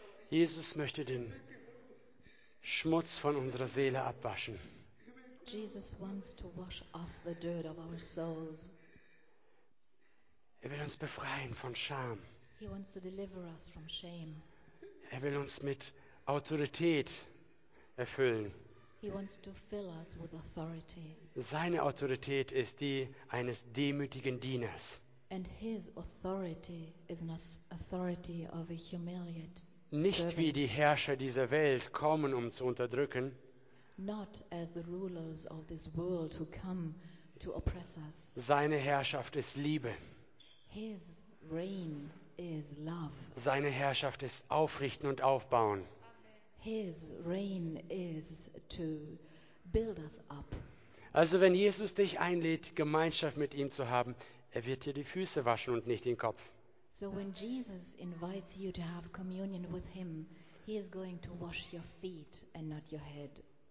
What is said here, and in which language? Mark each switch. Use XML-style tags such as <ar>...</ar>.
<de>Jesus möchte den Schmutz von unserer Seele abwaschen.</de> <en>Jesus wants to wash off the dirt of our souls.</en> <de>Er will uns befreien von Scham.</de> <en>He wants to deliver us from shame.</en> <de>Er will uns mit Autorität erfüllen.</de> <en>He wants to fill us with authority.</en> <de>Seine Autorität ist die eines demütigen Dieners.</de> <en>And his authority is an authority of a humiliated servant.</en> <de>Nicht wie die Herrscher dieser Welt kommen, um zu unterdrücken.</de> <en>Not as the rulers of this world who come to oppress us.</en> <de>Seine Herrschaft ist Liebe.</de> <en>His reign is love.</en> <de>Seine Herrschaft ist Aufrichten und Aufbauen.</de> <en>His reign is to build us up.</en> <de>Also wenn Jesus dich einlädt, Gemeinschaft mit ihm zu haben, er wird dir die Füße waschen und nicht den Kopf.</de> <en>So when Jesus invites you to have communion with him, he is going to wash your feet and not your head.</en>